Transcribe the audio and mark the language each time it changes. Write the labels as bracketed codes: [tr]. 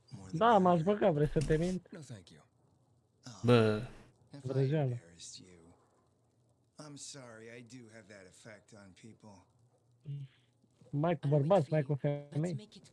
[ro] Da, m-aș băga, vrei să te mint? Bă... Vrăjeală. [en] I'm sorry, I do have that effect on people. [ro] Mai cu bărbați, mai cu femei.